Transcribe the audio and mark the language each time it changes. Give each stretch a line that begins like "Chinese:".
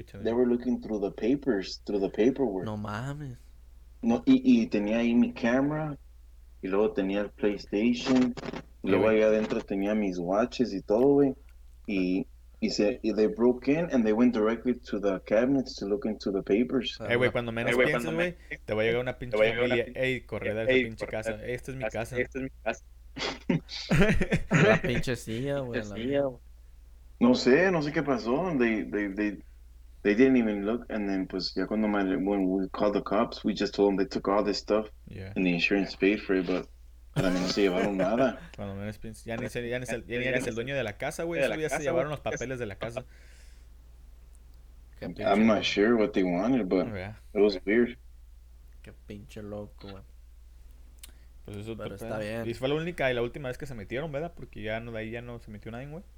English: They were looking through the papers, through the paperwork.
Spanish: No mames. No, y tenía ahí mi camera y luego tenía el PlayStation. Y luego ahí adentro tenía mis watches y todo, güey.
English: Y they broke in and they went directly to the cabinets to look into the papers.
Spanish: Hey, güey, cuando menos pienses, güey, te va a llegar una pinche familia. Ey, corre de esa pinche casa. Esta es mi casa. Esta es mi casa. La pinche silla, güey. No sé qué pasó.
English: They didn't even look. And then,
Spanish: pues, ya cuando
English: when we called the cops, we just told them they took all this stuff. Yeah. And the insurance paid for it, but...
Spanish: Para mí no se llevaron nada. Cuando menos pienso. Ya ni eres el dueño de la casa, güey. Eso ya se llevaron los papeles de la casa.
English: I'm not sure what they wanted, but it was weird.
Spanish: Qué pinche loco, güey. Pues eso pero está bien. Y fue la única y la última vez que se metieron, ¿verdad? Porque ya no, de ahí ya no se metió nadie, güey.